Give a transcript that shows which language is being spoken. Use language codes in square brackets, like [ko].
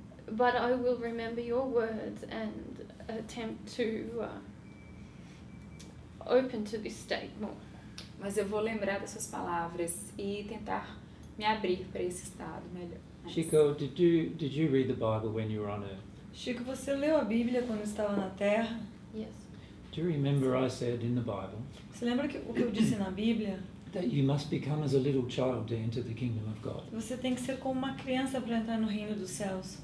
[en] But I will remember your words and attempt to open to this state more. [pt] Mas eu vou lembrar das suas palavras e tentar me abrir para esse estado melhor. [en] Chico, did you read the Bible when you were on Earth? [pt] Chico, você leu a Bíblia quando estava na Terra? [en] Yes. Do you remember I said in the Bible? [pt] Você lembra que o que eu disse na Bíblia? [en] That you must become as a little child to enter the kingdom of God. [pt] Você tem que ser como uma criança para entrar no reino dos céus.